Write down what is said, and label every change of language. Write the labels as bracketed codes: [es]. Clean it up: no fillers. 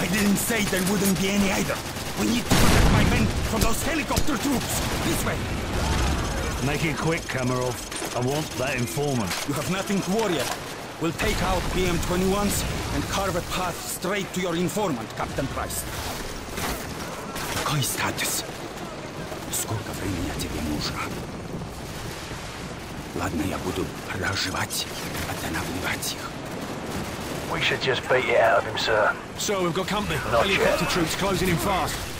[en] I didn't say there wouldn't be any either. We need to protect my men from those helicopter troops. This way. Make it quick, Kamarov. I want that informant. You have nothing to worry about. We'll take out BM-21s and carve a path straight to your informant, Captain Price. [ru] Какой статус? Сколько времени тебе нужно? Ладно, я буду разживать, останавливать их. [en] We should just beat it out of him, sir. Sir, we've got company. Helicopter troops closing in fast.